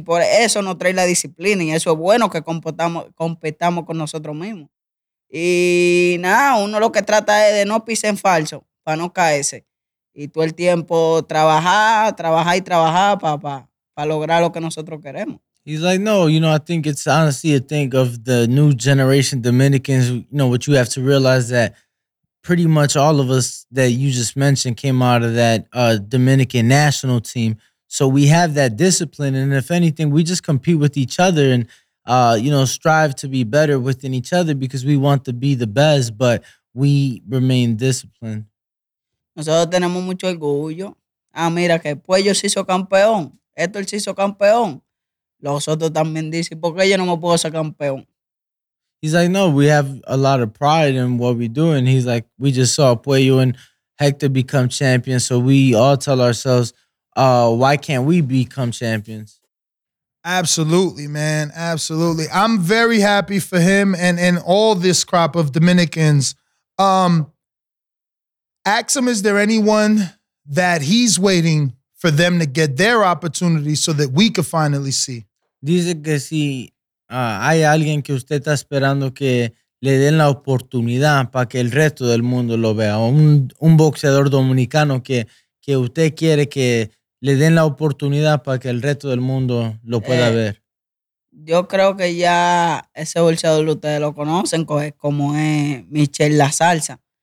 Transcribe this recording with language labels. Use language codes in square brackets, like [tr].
[es] Y por eso nos trae la disciplina. Y eso es bueno que competamos con nosotros mismos. Y nada, uno lo que trata es de no pisar en falso, para no caerse. Y todo el tiempo trabajar y trabajar para lograr lo que nosotros queremos. [en] He's like, no, you know, I think it's honestly a thing of the new generation Dominicans. You know, what you have to realize that pretty much all of us that you just mentioned came out of that Dominican national team. So we have that discipline. And if anything, we just compete with each other and, strive to be better within each other because we want to be the best, but we remain disciplined. [es] Nosotros tenemos mucho orgullo. Ah, mira que Puello se hizo campeón. Esto se hizo campeón. Los otros también dicen, ¿por qué yo no me puedo ser campeón? [en] He's like, no, we have a lot of pride in what we do. And he's like, we just saw Puello and Hector become champions. So we all tell ourselves, why can't we become champions? Absolutely, man. Absolutely. I'm very happy for him and all this crop of Dominicans. Ask him, is there anyone that he's waiting for them to get their opportunity so that we could finally see? [es] Dice que si... hay alguien que usted está esperando que le den la oportunidad para que el resto del mundo lo vea. Un boxeador dominicano que usted quiere que le den la oportunidad para que el resto del mundo lo pueda ver. Yo creo que ya ese boxeador ustedes lo conocen, como es Michel La Salsa.